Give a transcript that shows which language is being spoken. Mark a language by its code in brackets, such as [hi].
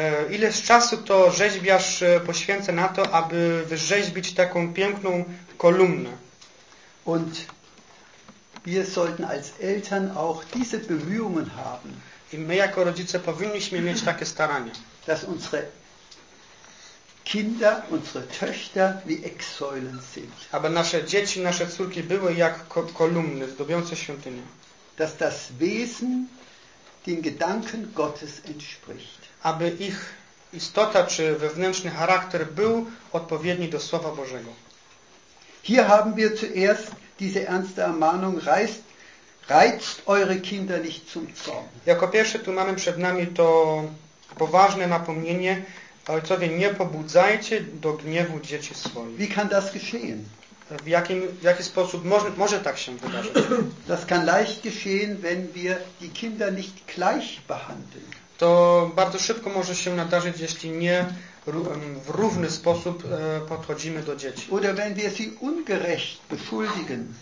[pl] Ile czasu to rzeźbiarz poświęca na to, aby wyrzeźbić taką piękną kolumnę? [de] Und wir sollten als Eltern auch diese Bemühungen haben. [pl] I my jako rodzice powinniśmy mieć takie starania. [de] Dass unsere Kinder, unsere Töchter wie Ecksäulen sind. [pl] Aby nasze dzieci, nasze córki były jak kolumny zdobiące świątynię. [de] Dass das Wesen den Gedanken Gottes entspricht. [pl] Aby ich istota czy wewnętrzny charakter był odpowiedni do Słowa Bożego. [de] Hier haben wir zuerst diese ernste Ermahnung, reizt eure Kinder nicht zum Zorn. [pl] Jako pierwsze tu mamy przed nami to poważne napomnienie, ojcowie, nie pobudzajcie do gniewu dzieci swoich. [de] Wie kann das geschehen? [pl] W jaki sposób może tak się wydarzyć? [de] Das kann leicht geschehen, wenn wir die Kinder nicht gleich behandeln. [pl] To bardzo szybko może się nadarzyć, jeśli nie w równy sposób podchodzimy do dzieci. [de] Oder wenn wir sie ungerecht beschuldigen.